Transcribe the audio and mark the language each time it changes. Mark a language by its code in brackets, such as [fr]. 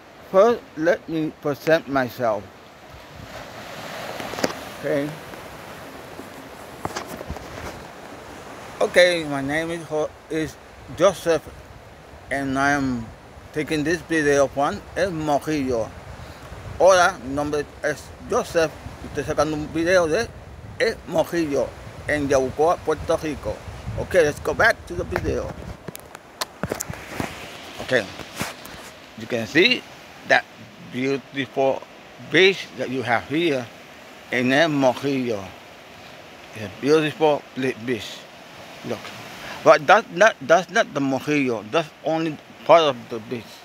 [en] First, let me present myself. Okay. Okay, my name is Joseph, and I am taking this video from El Morillo. [es] Hola, mi nombre es Joseph, estoy sacando un video de El Morillo en Yabucoa, Puerto Rico. [en] Okay, let's go back to the video. Okay, you can see that beautiful beach that you have here in El Morillo. It's a beautiful beach. Look, but that's not the Morillo, that's only part of the beach.